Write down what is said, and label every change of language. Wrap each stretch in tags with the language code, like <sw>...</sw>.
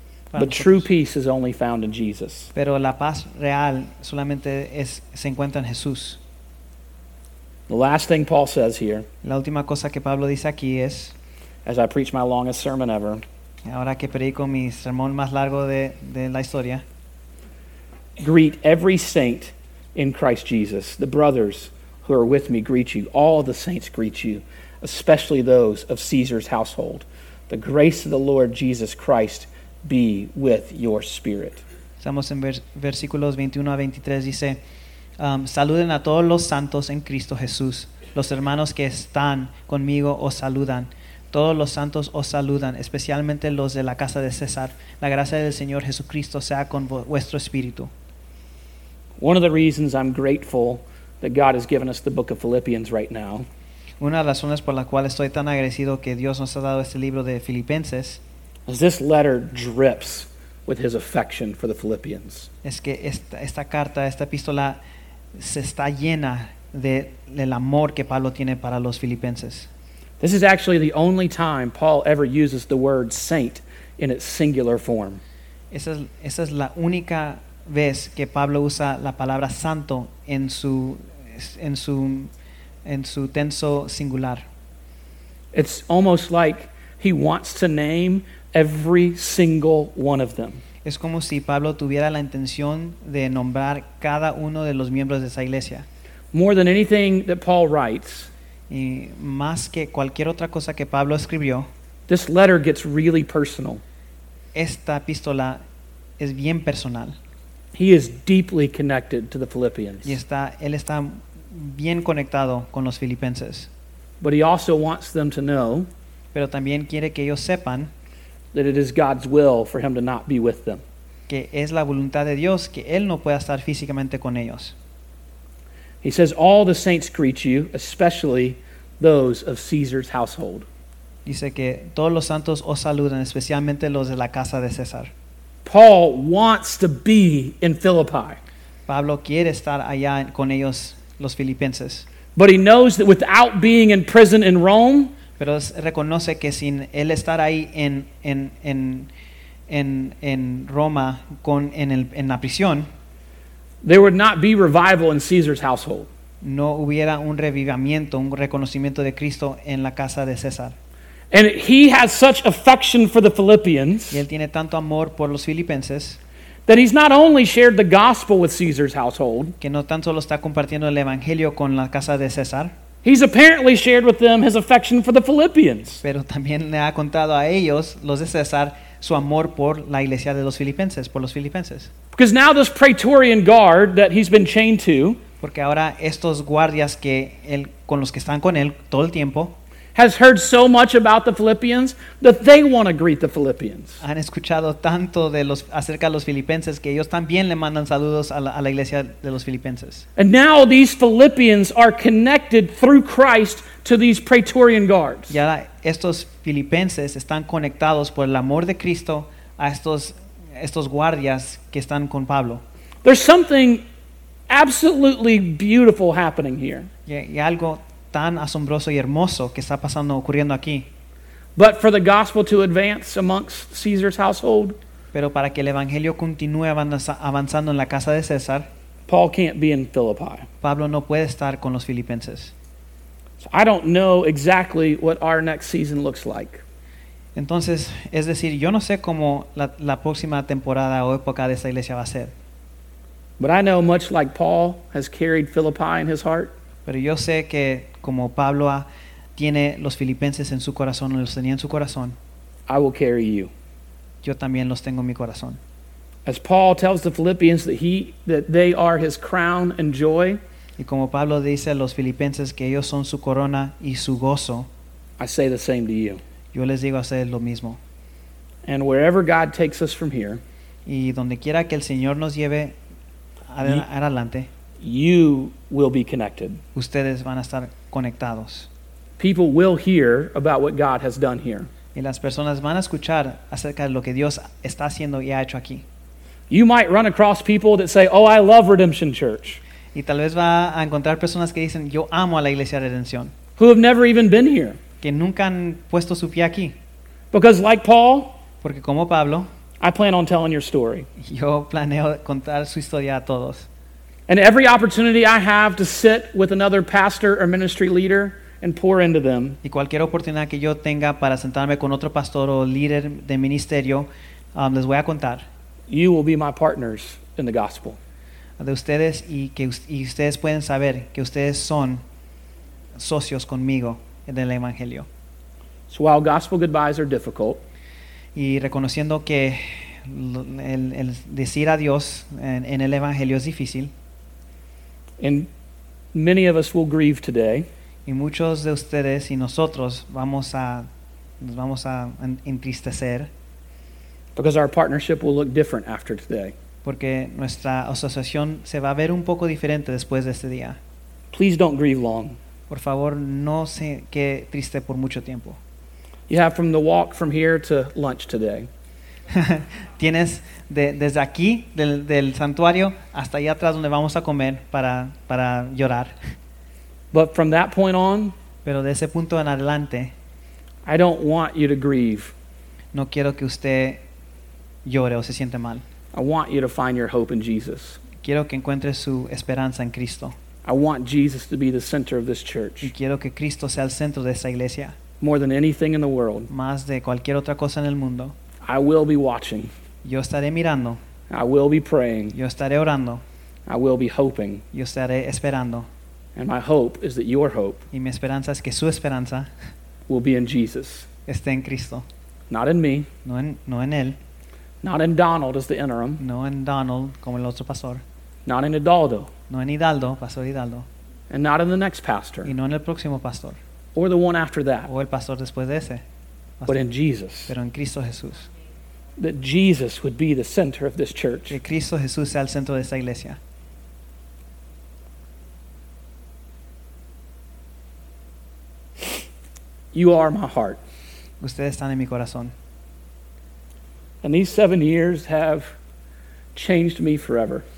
<en>But true peace is only found in Jesus.</en> <es>Pero la paz real solamente se encuentra en Jesús.</es> <en>The last thing Paul says here.</en> <es>La última cosa que Pablo dice aquí es.</es> <en>As I preach my longest sermon ever.</en> <es>Ahora que predico mi sermón más largo de la historia.</es> <en>Greet every saint in Christ Jesus. The brothers who are with me greet you. All the saints greet you, especially those of Caesar's household. The grace of the Lord Jesus Christ be with your spirit.</en> <es>Estamos en versículos 21 a 23. Dice, saluden a todos los santos en Cristo Jesús. Los hermanos que están conmigo os saludan. Todos los santos os saludan, especialmente los de la casa de César. La gracia del Señor Jesucristo sea con vuestro espíritu.</es> <en>One of the reasons I'm grateful that God has given us the book of Philippians right now.</en> <es>Una de las razones por la cual estoy tan agradecido que Dios nos ha dado este libro de Filipenses.</es> <en>Is this letter drips with his affection for the Philippians.</en> <es>Es que esta carta, esta epístola se está llena del amor que Pablo tiene para los Filipenses.</es> <en>This is actually the only time Paul ever uses the word saint in its singular form.</en> <es>Esa es la única vez que Pablo usa la palabra santo en su tenso singular.</es> <en>It's almost like he wants to name every single one of them.</en> <es>Es como si Pablo tuviera la intención de nombrar cada uno de los miembros de esa iglesia.</es> <en>More than anything that Paul writes,</en> <es>y más que cualquier otra cosa que Pablo escribió,</es> <en>this letter gets really personal.</en> <es>Esta epístola es bien personal.</es> <en>He is deeply connected to the Philippians.</en> <es>Y él está bien conectado con los filipenses.</es> <en>But he also wants them to know,</en> <es>pero también quiere que ellos sepan,</es> <en>that it is God's will for him to not be with them.</en> <es>Que es la voluntad de Dios que él no pueda estar físicamente con ellos.</es> <en>He says all the saints greet you, especially those of Caesar's household.</en> <es>Dice que todos los santos os saludan, especialmente los de la casa de César.</es> <en>Paul wants to be in Philippi.</en> <es>Pablo quiere estar allá con ellos, los filipenses.</es> <en>But he knows that without being in prison in Rome,</en> <es>pero reconoce que sin él estar ahí en Roma en la prisión,</es> <en>there would not be revival in Caesar's household.</en> <es>No hubiera un revivamiento, un reconocimiento de Cristo en la casa de César.</es> <en>And he has such affection for the Philippians.</en> <es>Y él tiene tanto amor por los filipenses.</es> <en>That he's not only shared the gospel with Caesar's household.</en> <es>Que no tan solo está compartiendo el evangelio con la casa de César.</es> <en>He's apparently shared with them his affection for the Philippians.</en> <es>Pero también le ha contado a ellos, los de César, su amor por la iglesia de los filipenses, por los filipenses.</es> <en>Because now this Praetorian guard that he's been chained to.</en> <es>Porque ahora estos guardias que él, con los que están con él todo el tiempo.</es> <en>Has heard so much about the Philippians that they want to greet the Philippians.</en> <es>Han escuchado tanto acerca de los filipenses que ellos también le mandan saludos a la iglesia de los filipenses.</es> <en>And now these Philippians are connected through Christ to these Praetorian guards.</en> <es>Y ahora estos filipenses están conectados por el amor de Cristo a estos guardias que están con Pablo.</es> <en>There's something absolutely beautiful happening here.</en> <es>Y algo tan asombroso y hermoso que está pasando ocurriendo aquí.</es> <en>But for the gospel to advance amongst Caesar's household,</en> <es>pero para que el evangelio continúe avanzando en la casa de César,</es> <en>Paul can't be in Philippi.</en> <es>Pablo no puede estar con los filipenses.</es> <en>So I don't know exactly what our next season looks like.</en> <es>Entonces, es decir, yo no sé cómo la próxima temporada o época de esta iglesia va a ser.</es> <en>But I know, much like Paul has carried Philippi in his heart,</en> <es>pero yo sé que como Pablo tiene los filipenses en su corazón, los tenía en su corazón,</es> <en>I will carry you.</en> <es>Yo también los tengo en mi corazón.</es> <en>As Paul tells the Philippians that they are his crown and joy,</en> <es>y como Pablo dice a los filipenses que ellos son su corona y su gozo,</es> <en>I say the same to you.</en> <es>Yo les digo a ustedes lo mismo.</es> <en>And wherever God takes us from here,</en> <es>y donde quiera que el Señor nos lleve adelante,</es> <en>you will be connected.</en> <es>Ustedes van a estar conectados.</es> <en>People will hear about what God has done here.</en> <es>Y las personas van a escuchar acerca de lo que Dios está haciendo y ha hecho aquí.</es> <en>You might run across people that say, "Oh, I love Redemption Church."</en> <es>Y tal vez va a encontrar personas que dicen, "Yo amo a la Iglesia de Redención."</es> <en>Who have never even been here.</en> <es>Que nunca han puesto su pie aquí.</es> <en>Because like Paul,</en> <es>porque como Pablo,</es> <en>I plan on telling your story.</en> <es>Yo planeo contar su historia a todos.</es> <en>And every opportunity I have to sit with another pastor or ministry leader and pour into them,</en> <es>y cualquier oportunidad que yo tenga para sentarme con otro pastor o líder de ministerio, les voy a contar.</es> <en>You will be my partners in the gospel.</en> <es>De ustedes y ustedes pueden saber que ustedes son socios conmigo en el evangelio.</es> <en>So while gospel goodbyes are difficult,</en> <es>y reconociendo que el decir adiós en el evangelio es difícil,</es> <en>and many of us will grieve today,</en> <es>y muchos de ustedes y nosotros nos vamos a entristecer.</es> <en>Because our partnership will look different after today.</en> <es>Porque nuestra asociación se va a ver un poco diferente después de este día.</es> <en>Please don't grieve long.</en> <es>Por favor, no se quede triste por mucho tiempo.</es> <en>You have from the walk from here to lunch today.</en> <es>Tienes desde aquí del santuario hasta allá atrás donde vamos a comer para llorar.</es> <en>But from that point on,</en> <es>pero de ese punto en adelante,</es> <en>I don't want you to grieve.</en> <es>No quiero que usted llore o se siente mal.</es> <en>I want you to find your hope in Jesus.</en> <es>Quiero que encuentre su esperanza en Cristo.</es> <en>I want Jesus to be the center of this church.</en> <es>Y quiero que Cristo sea el centro de esta iglesia.</es> <en>More than anything in the world.</en> <es>Más de cualquier otra cosa en el mundo.</es> <en>I will be watching.</en> <es>Yo estaré mirando.</es> <en>I will be praying.</en> <es>Yo estaré orando.</es> <en>I will be hoping.</en> <es>Yo estaré esperando.</es> <en>And my hope is that your hope,</en> <es>y mi esperanza es que su esperanza,</es> <en>will be in Jesus.</en> <es>Esté en Cristo.</es> <en>Not in me.</en> <es>No en él.</es> <en>Not in Donald as the interim.</en> <es>No en Donald como el otro pastor.</es> <en>Not in Hidalgo.</en> <es>No en Hidalgo, Pastor Hidalgo.</es> <en>And not in the next pastor.</en> <es>Y no en el próximo pastor.</es> <en>Or the one after that.</en> <es>O el pastor después de ese.</es> <en>Pastor. But in Jesus.</en> <es>Pero en Cristo Jesús.</es> <en>That Jesus would be the center of this church.</en> <es>Que Cristo Jesús sea el centro de esta iglesia.</es> <en>You are my heart.</en> <es>Ustedes están en mi corazón.</es> <en>And these 7 years have changed me forever.</en>